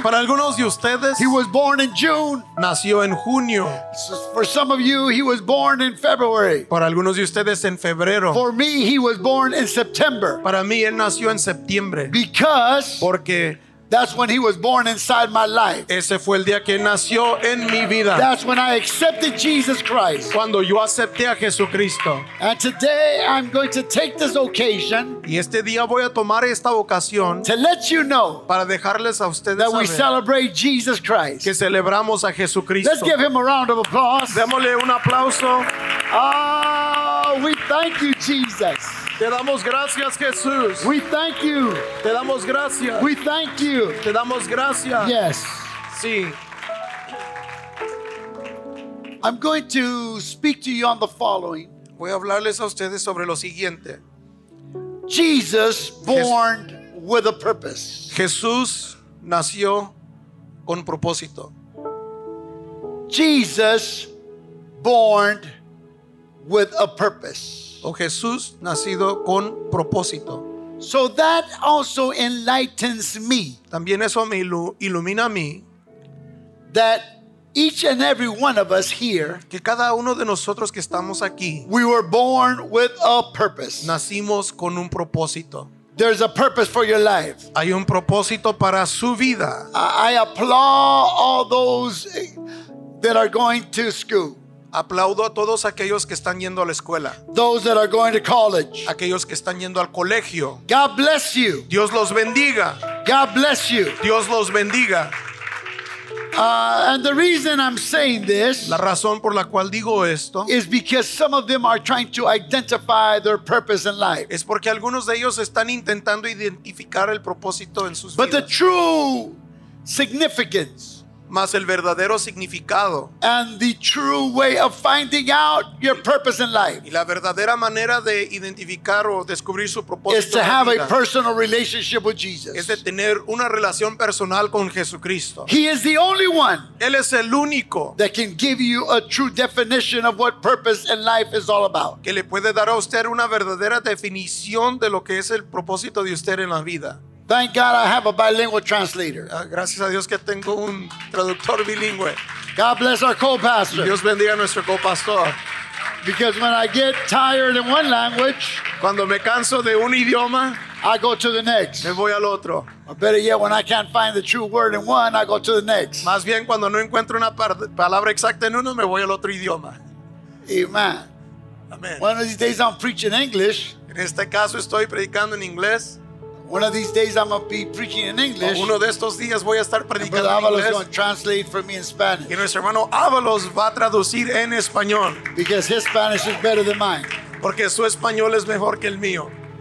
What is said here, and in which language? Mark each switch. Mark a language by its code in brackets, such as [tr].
[es] para algunos de ustedes, [en] he was born in June. [es] Nació en junio. [en] For some of you, he was born in February. [es] Para algunos de ustedes, en febrero. [en] For me, he was born in September. [es] Para mí, él nació en septiembre. [en] Because, [es] porque [en] that's when he was born inside my life. [es] Ese fue el día que nació en mi vida. [en] That's when I accepted Jesus Christ. [es] Cuando yo acepté a Jesucristo. [en] And today I'm going to take this occasion. [es] Y este día voy a tomar esta ocasión. [en] To let you know. [es] Para dejarles a ustedes [en] that [es] saber. [en] That we celebrate Jesus Christ. [es] Que celebramos a Jesucristo. [en] Let's give him a round of applause. [es] Démosle un aplauso. [en] Oh, we thank you, Jesus. [es] Te damos gracias, Jesús. [en] We thank you. [es] Te damos gracias. [en] We thank you. [es] Te damos gracias. [en] Yes. [es] Sí. [en] I'm going to speak to you on the following. [es] Voy a hablarles a ustedes sobre lo siguiente. [en] Jesus born with a purpose. [es] Jesús nació con propósito. [en] Jesus born with a purpose. [es] O Jesús nacido con propósito. [en] So that also enlightens me. [es] También eso me ilumina a mí. [en] That each and every one of us here, [es] que cada uno de nosotros que estamos aquí, [en] we were born with a purpose. [es] Nacimos con un propósito. [en] There's a purpose for your life. [es] Hay un propósito para su vida. [en] I applaud all those that are going to school. [es] Aplaudo a todos aquellos que están yendo a la escuela. [en] Those that are going to college. [es] Aquellos que están yendo al colegio. [en] God bless you. [es] Dios los bendiga. [en] God bless you. [es] Dios los bendiga. [en] And the reason I'm saying this, [es] la razón por la cual digo esto, [en] is because some of them are trying to identify their purpose in life. [es] Es porque algunos de ellos están intentando identificar el propósito en sus [en] but [es] vidas. [en] The true significance, [es] mas el verdadero significado. [en] And the true way of finding out your purpose in life. [es] Y la verdadera manera de identificar o descubrir su propósito. [en] Is to have a personal relationship with Jesus. [es] Es de tener una relación personal con Jesucristo. [en] He is the only one. [es] Él es el único. [en] That can give you a true definition of what purpose in life is all about. [es] Que le puede dar a usted una verdadera definición de lo que es el propósito de usted en la vida. [en] Thank God I have a bilingual translator. [es] Gracias a Dios que tengo un traductor bilingüe. [en] God bless our co-pastor. [es] Dios bendiga a nuestro co-pastor. [en] Because when I get tired in one language, [es] cuando me canso de un idioma, [en] I go to the next. [es] Me voy al otro. [en] Or better yet, when I can't find the true word in one, I go to the next. [es] Más bien cuando no encuentro una palabra exacta en uno, me voy al otro idioma. [en] Amen. [es] Amen. [en] One of these days I'm preaching English. [es] En este caso estoy predicando en inglés. [en] One of these days I'm going to be preaching in English. [es] Uno de estos días voy a estar predicando en inglés. [en] Going to translate for me in Spanish. [es] Y nuestro hermano Ábalos va a traducir en español. [en] Because his Spanish is better than mine. [es] Porque su español es mejor que el mío.